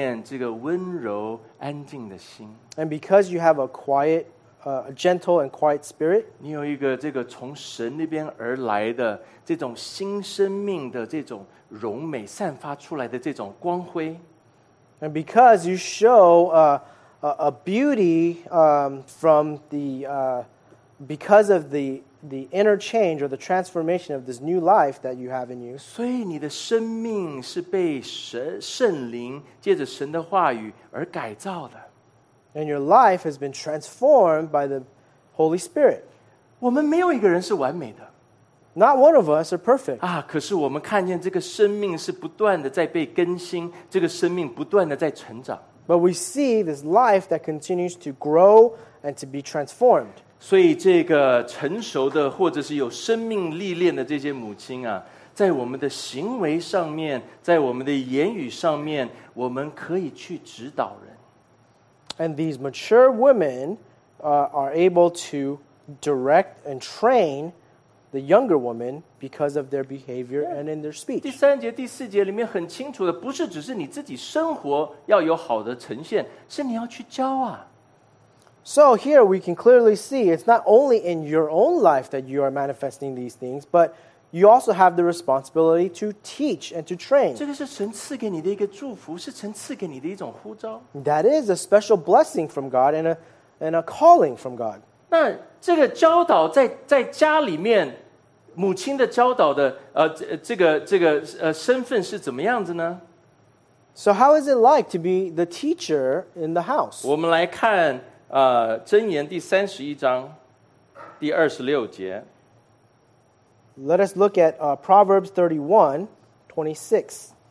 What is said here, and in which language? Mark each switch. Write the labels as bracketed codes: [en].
[zh] 因为你有这个在主里面这个温柔安静的心, [en] and because you have a quiet, gentle and quiet spirit, [zh] 你有一个这个从神那边而来的这种新生命的这种荣美散发出来的这种光辉, [en] and because you show a beauty from the because of the inner change or the transformation of this new life that you have in you. [zh] 所以你的生命是被圣灵借着神的话语而改造的。 [en] And your life has been transformed by the Holy Spirit. [zh] 我们没有一个人是完美的。 [en] Not one of us are perfect. [zh] 可是我们看见这个生命是不断的在被更新，这个生命不断的在成长。 [en] But we see this life that continues to grow and to be transformed. [zh] 所以这个成熟的或者是有生命历练的这些母亲啊，在我们的行为上面，在我们的言语上面，我们可以去指导人。 [en] And these mature women are able to direct and train the younger woman because of their behavior and in their speech. [zh] 第三节、第四节里面很清楚的，不是只是你自己生活要有好的呈现，是你要去教啊。 [en] So here we can clearly see it's not only in your own life that you are manifesting these things, but you also have the responsibility to teach and to train. [zh] 这个是神赐给你的一个祝福，是神赐给你的一种呼召。 [en] That is a special blessing from God and a calling from God. [zh] 那这个教导在家里面，母亲的教导的这个身份是怎么样子呢？ [en] So how is it like to be the teacher in the house? [zh] 我们来看箴言第三十一章第二十六节。 [en] Let us look at Proverbs 31, 26.